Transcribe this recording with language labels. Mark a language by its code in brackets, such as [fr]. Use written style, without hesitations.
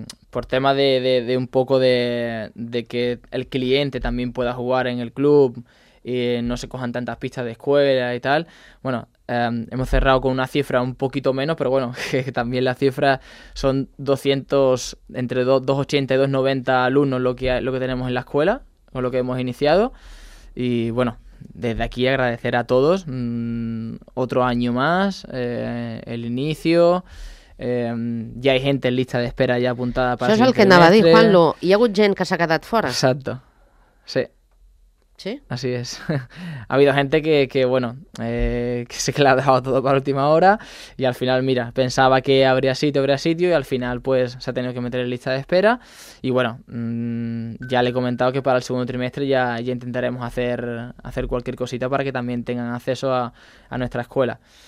[es] Por tema de un poco de que el cliente también pueda jugar en el club y no se cojan tantas pistas de escuela y tal, bueno, hemos cerrado con una cifra un poquito menos, pero bueno, que también las cifras son 200, entre 280 y 290 alumnos lo que tenemos en la escuela, o lo que hemos iniciado, y bueno... desde aquí agradecer a todos otro año más, el inicio. [ca] Ja hi ha gent en lista d'espera ja apuntada per... Això és el que anava a dir, Juanlu. Hi ha hagut gent que s'ha quedat fora. Exacte. Sí. Sí? [es] Así es. Ha habido gente que bueno, que se que le ha dejado todo para última hora y al final, mira, pensaba que habría sitio y al final pues se ha tenido que meter en lista de espera y bueno, ya le he comentado que para el segundo trimestre ya intentaremos hacer cualquier cosita para que también tengan acceso a nuestra escuela.